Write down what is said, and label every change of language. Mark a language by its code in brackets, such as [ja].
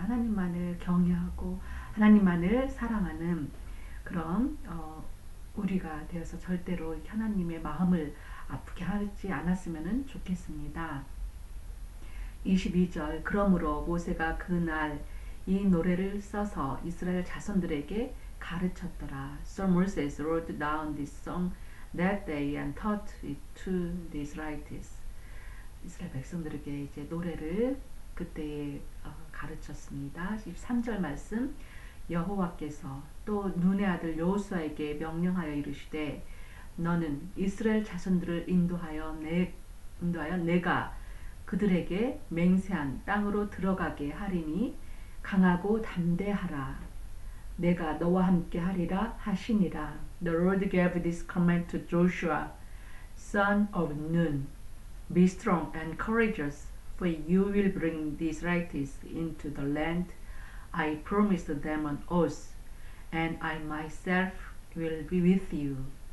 [ko] 하나님만을 경외하고 하나님만을 사랑하는 그런 우리가 되어서 절대로 하나님의 마음을 아프게 하지 않았으면 좋겠습니다. 22절 그러므로 모세가 그날 이 노래를 써서 이스라엘 자손들에게 가르쳤더라. [en] So Moses wrote down this song that day and taught it to the Israelites. [ko] 이스라엘 백성들에게 이제 노래를 그때 가르쳤습니다. 23절 말씀 여호와께서 또 눈의 아들 여호수아에게 명령하여 이르시되 너는 이스라엘 자손들을 인도하여 내가 그들에게 맹세한 땅으로 들어가게 하리니 강하고 담대하라. 내가 너와 함께 하리라 하시니라. [en] The Lord gave this command to Joshua, son of Nun. Be strong and courageous, for you will bring the Israelites into the land I promised them on oath, and I myself will be with you.